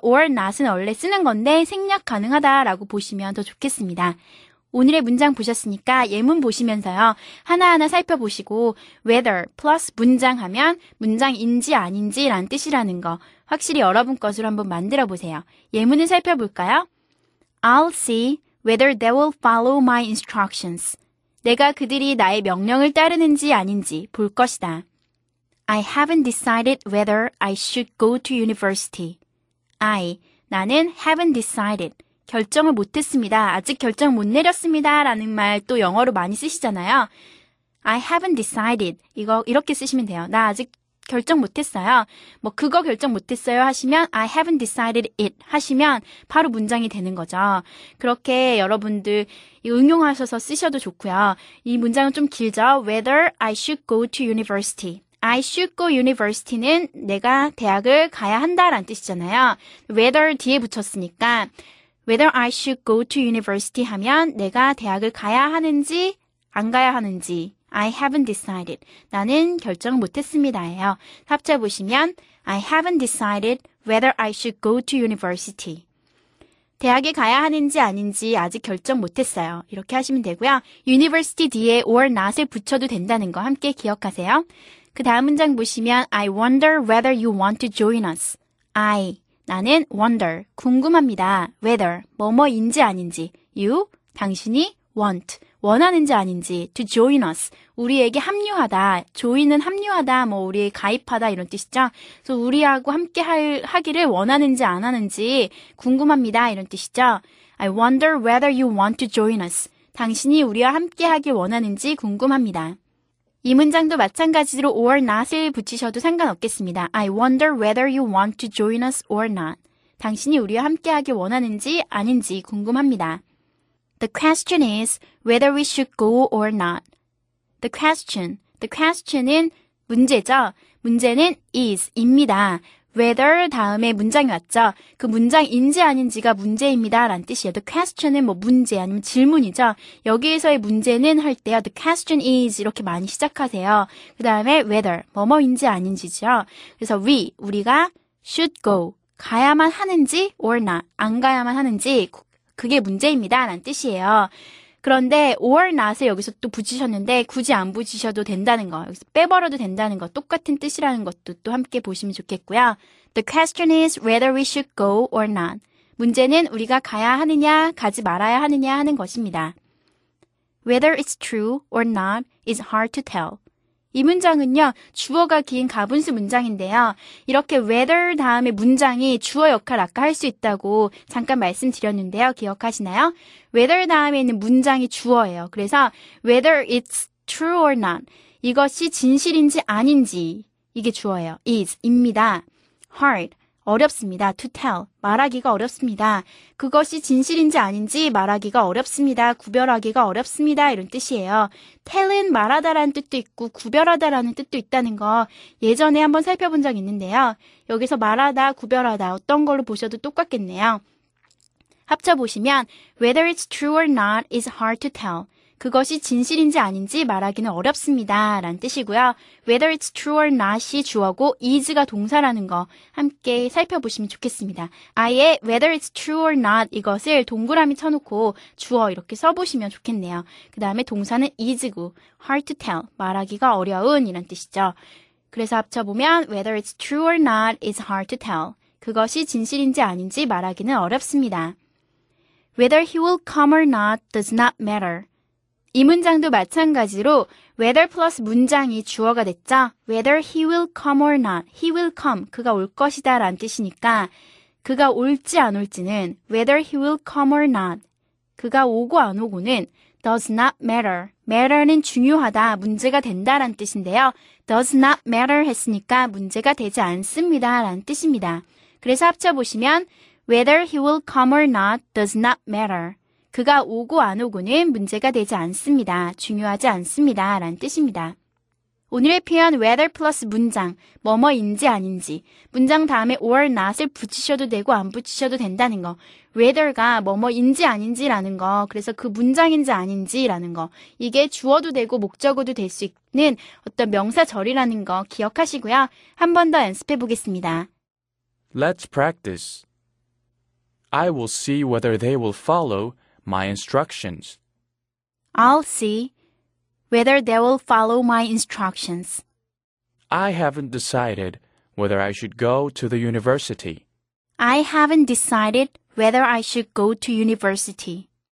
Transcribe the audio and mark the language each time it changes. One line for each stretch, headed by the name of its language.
Korean: or not은 원래 쓰는 건데 생략 가능하다라고 보시면 더 좋겠습니다. 오늘의 문장 보셨으니까 예문 보시면서요. 하나하나 살펴보시고 whether 플러스 문장 하면 문장인지 아닌지라는 뜻이라는 거 확실히 여러분 것으로 한번 만들어보세요. 예문을 살펴볼까요?
English: I'll see whether they will follow my instructions.
Korean: 내가 그들이 나의 명령을 따르는지 아닌지 볼 것이다.
English: I haven't decided whether I should go to university.
Korean: 나는
English: haven't decided.
Korean: 결정을 못했습니다. 아직 결정 못 내렸습니다. 라는 말 또 영어로 많이 쓰시잖아요.
English: I haven't decided.
Korean: 이렇게 쓰시면 돼요. 나 아직 결정 못했어요. 뭐 그거 결정 못했어요 하시면
English: I haven't decided it
Korean: 하시면 바로 문장이 되는 거죠. 그렇게 여러분들 응용하셔서 쓰셔도 좋고요. 이 문장은 좀 길죠.
English: Whether I should go to university. I should go university
Korean: 는 내가 대학을 가야 한다라는 뜻이잖아요. Whether 뒤에 붙였으니까
English: Whether I should go to university
Korean: 하면 내가 대학을 가야 하는지 안 가야 하는지
English: I haven't decided.
Korean: 나는 결정 못했습니다예요. 합쳐보시면
English: I haven't decided whether I should go to university.
Korean: 대학에 가야 하는지 아닌지 아직 결정 못했어요. 이렇게 하시면 되고요. University 뒤에 or not을 붙여도 된다는 거 함께 기억하세요. 그 다음 문장 보시면
English: I wonder whether you want to join us.
Korean: 나는 wonder, 궁금합니다. Whether, 뭐뭐인지 아닌지. You, 당신이 want, 원하는지 아닌지. To join us, 우리에게 합류하다. Join은 합류하다, 뭐 우리에 가입하다 이런 뜻이죠. 그래서 우리하고 함께 하기를 원하는지 안 하는지 궁금합니다 이런 뜻이죠.
English: I wonder whether you want to join us.
Korean: 당신이 우리와 함께 하길 원하는지 궁금합니다. 이 문장도 마찬가지로 or not을 붙이셔도 상관없겠습니다.
English: I wonder whether you want to join us or not.
Korean: 당신이 우리와 함께 하길 원하는지 아닌지 궁금합니다.
English: The question is whether we should go or not.
Korean: The question은 문제죠. 문제는 is입니다. whether 다음에 문장이 왔죠. 그 문장인지 아닌지가 문제입니다 라는 뜻이에요. The question은 뭐 문제 아니면 질문이죠. 여기에서의 문제는 할 때요.
English: The question is
Korean: 이렇게 많이 시작하세요. 그 다음에 whether 뭐뭐인지 아닌지죠. 그래서 우리가 should go 가야만 하는지 or not 안 가야만 하는지 그게 문제입니다 라는 뜻이에요. 그런데 or not을 여기서 또 붙이셨는데 굳이 안 붙이셔도 된다는 거, 여기서 빼버려도 된다는 거, 똑같은 뜻이라는 것도 또 함께 보시면 좋겠고요.
English: The question is whether we should go or not.
Korean: 문제는 우리가 가야 하느냐, 가지 말아야 하느냐 하는 것입니다.
English: Whether it's true or not is hard to tell.
Korean: 이 문장은요, 주어가 긴 가분수 문장인데요. 이렇게 whether 다음에 문장이 주어 역할 아까 할 수 있다고 잠깐 말씀드렸는데요. 기억하시나요? whether 다음에 있는 문장이 주어예요. 그래서
English: whether it's true or not,
Korean: 이것이 진실인지 아닌지 이게 주어예요. is입니다. hard, 어렵습니다. to tell, 말하기가 어렵습니다. 그것이 진실인지 아닌지 말하기가 어렵습니다. 구별하기가 어렵습니다. 이런 뜻이에요. tell은 말하다라는 뜻도 있고 구별하다라는 뜻도 있다는 거 예전에 한번 살펴본 적 있는데요. 여기서 말하다, 구별하다 어떤 걸로 보셔도 똑같겠네요. 합쳐보시면
English: whether it's true or not is hard to tell.
Korean: 그것이 진실인지 아닌지 말하기는 어렵습니다. 라는 뜻이고요.
English: Whether it's true or not
Korean: 이 주어고 is가 동사라는 거 함께 살펴보시면 좋겠습니다. 아예
English: whether it's true or not
Korean: 이것을 동그라미 쳐놓고 주어 이렇게 써보시면 좋겠네요. 그 다음에 동사는 is고
English: hard to tell
Korean: 말하기가 어려운 이란 뜻이죠. 그래서 합쳐보면
English: whether it's true or not is hard to tell.
Korean: 그것이 진실인지 아닌지 말하기는 어렵습니다.
English: Whether he will come or not does not matter.
Korean: 이 문장도 마찬가지로 whether 플러스 문장이 주어가 됐죠.
English: whether he will come or not. he will come.
Korean: 그가 올 것이다 라는 뜻이니까 그가 올지 안 올지는
English: whether he will come or not.
Korean: 그가 오고 안 오고는
English: does not matter.
Korean: matter는 중요하다, 문제가 된다 라는 뜻인데요.
English: does not matter
Korean: 했으니까 문제가 되지 않습니다 라는 뜻입니다. 그래서 합쳐보시면
English: whether he will come or not does not matter.
Korean: 그가 오고 안 오고는 문제가 되지 않습니다. 중요하지 않습니다. 라는 뜻입니다. 오늘의 표현 weather 플러스 문장, 뭐뭐인지 아닌지, 문장 다음에 or not을 붙이셔도 되고 안 붙이셔도 된다는 거. weather가 뭐뭐인지 아닌지라는 거, 그래서 그 문장인지 아닌지라는 거. 이게 주어도 되고 목적어도 될 수 있는 어떤 명사절이라는 거 기억하시고요. 한 번 더 연습해 보겠습니다.
English: Let's practice. I will see whether they will follow my instructions. I'll see whether they will follow my instructions. I haven't decided whether I should go to the university. I haven't decided whether I should go to university.